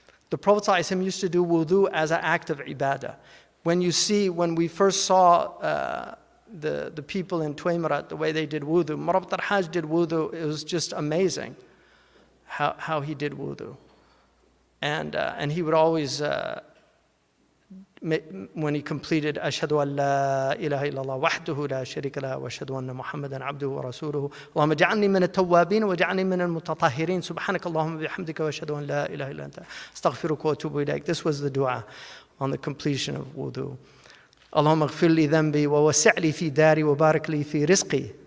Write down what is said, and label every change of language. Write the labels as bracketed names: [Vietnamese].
[English] The Prophet sallallahu alaihi wasallam used to do wudu as an act of ibadah. When we first saw the people in Tuaimarat, the way they did wudu, Murabtar Hajj did wudu. It was just amazing how he did wudu. And he would always, when he completed, [Arabic] أشهد أن لا إله إلا الله وحده لا شريك له وأشهد أن محمدا عبده ورسوله اللهم اجعلني من التوابين واجعلني من المتطهرين سبحانك اللهم بحمدك وأشهد أن لا إله إلا أنت استغفرك وأتوب إليك. [English] This was the dua on the completion of wudu. [Arabic] اللهم اغفر لي ذنبي ووسع لي في داري وبارك لي في رزقي.